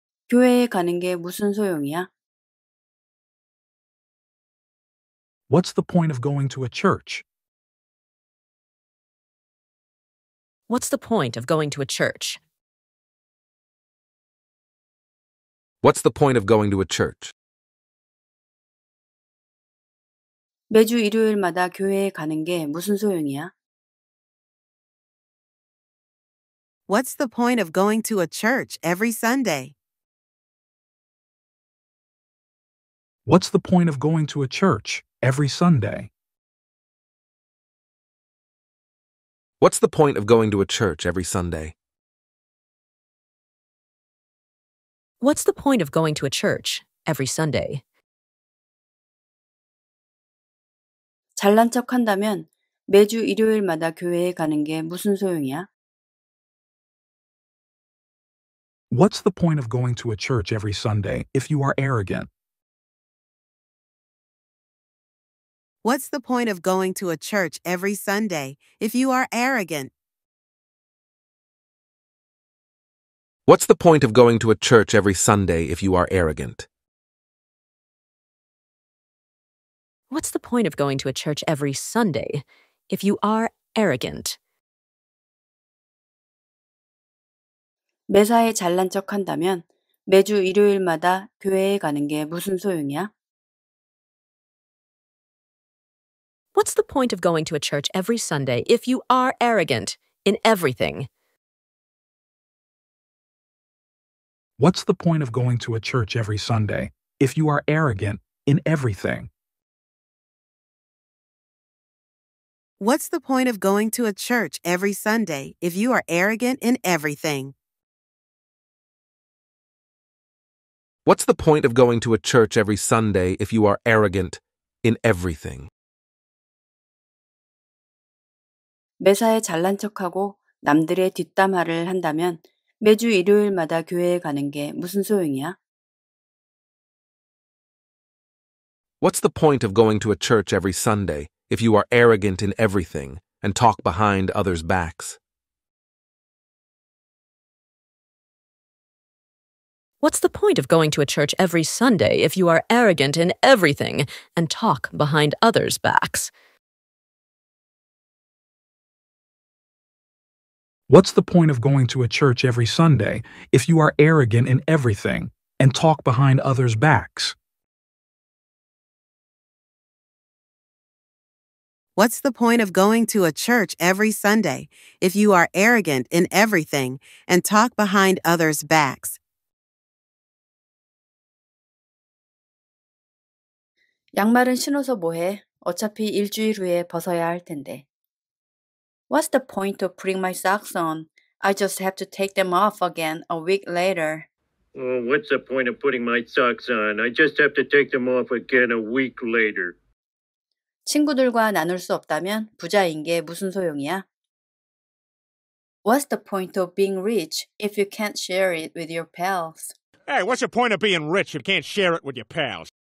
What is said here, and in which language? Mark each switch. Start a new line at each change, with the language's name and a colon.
Korean: 교회에 가는 게 무슨 소용이야?
English: What's the point of going to a church? What's the point of going to a church? What's the point of going to a church?
Korean: 매주 일요일마다 교회에 가는 게 무슨 소용이야?
English: What's the point of going to a church every Sunday? What's the point of going to a church every Sunday? What's the point of going to a church every Sunday? What's the point of going to a church every Sunday?
Korean: 잘난 척한다면 매주 일요일마다 교회에 가는 게 무슨 소용이야?
English: What's the point of going to a church every Sunday if you are arrogant? What's the point of going to a church every Sunday if you are arrogant? What's the point of going to a church every Sunday if you are arrogant? What's the point of going to a church every Sunday if you are arrogant?
Korean: 매사에 잘난 척한다면 매주 일요일마다 교회에 가는 게 무슨 소용이야?
English: What's the point of going to a church every Sunday if you are arrogant in everything? What's the point of going to a church every Sunday if you are arrogant in everything? What's the point of going to a church every Sunday if you are arrogant in everything? What's the point of going to a church every Sunday if you are arrogant in everything?
Korean: 매사에 잘난 척하고 남들의 뒷담화를 한다면 매주 일요일마다 교회에 가는 게 무슨 소용이야?
English: What's the point of going to a church every Sunday if you are arrogant in everything and talk behind others' backs? What's the point of going to a church every Sunday if you are arrogant in everything and talk behind others' backs? What's the point of going to a church every Sunday if you are arrogant in everything and talk behind others' backs? What's the point of going to a church every Sunday if you are arrogant in everything and talk behind others' backs?
Korean: 양말은 신어서 뭐해? 어차피 일주일 후에 벗어야 할 텐데.
English: What's the point of putting my socks on? I just have to take them off again a week later. Well, what's the point of putting my socks on? I just have to take them off again a week later.
Korean: 친구들과 나눌 수 없다면 부자인 게 무슨 소용이야?
English: What's the point of being rich if you can't share it with your pals? Hey, what's the point of being rich if you can't share it with your pals?